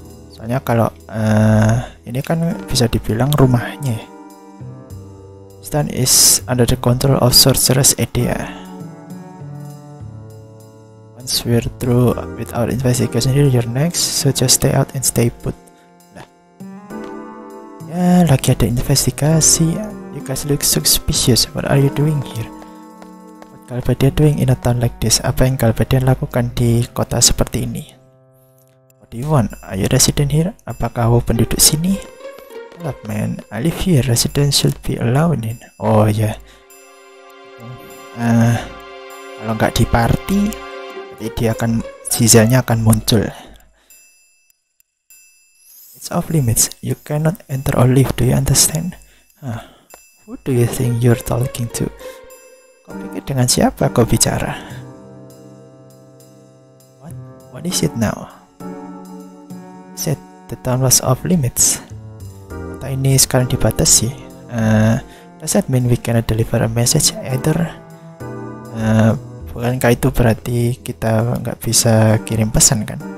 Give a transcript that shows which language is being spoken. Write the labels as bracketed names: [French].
[Indonesian] Soalnya kalau ini kan bisa dibilang rumahnya. [English] This town is under the control of Sorceress Edea. Once we're through with our investigation here, you're next, so just stay out and stay put. [Indonesian] Nah. Ya, lagi ada investigasi. [English] You guys look suspicious. What are you doing here? What Galbadia doing in a town like this? [Indonesian] Apa yang Galbadia lakukan di kota seperti ini? [English] What do you want? Are you resident here? [Indonesian] Apakah kamu penduduk sini? [English] development, I live here, residents should be allowed in. [Indonesian] Oh ya. Kalau nggak di party, nanti dia akan sisilnya akan muncul. [English] It's off limits. You cannot enter or leave. Do you understand? Who do you think you're talking to? [Indonesian] Kau pikir dengan siapa kau bicara? [English] What is it now? Said the town was off limits. [Indonesian] Kota ini sekarang dibatasi. [English] Does that mean we cannot deliver a message either? [Indonesian] Bukankah itu berarti kita nggak bisa kirim pesan kan?